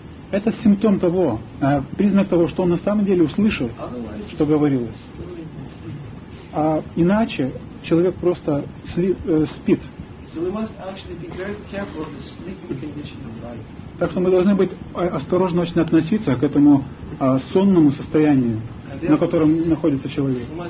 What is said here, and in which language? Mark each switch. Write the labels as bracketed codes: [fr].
[ru] Это симптом того, признак того, что он на самом деле услышал, что говорилось. А иначе человек просто спит. [en] So we must actually be very careful of the sleeping condition of life. [ru] Так что мы должны быть осторожны очень относиться к этому сонному состоянию, на котором находится человек.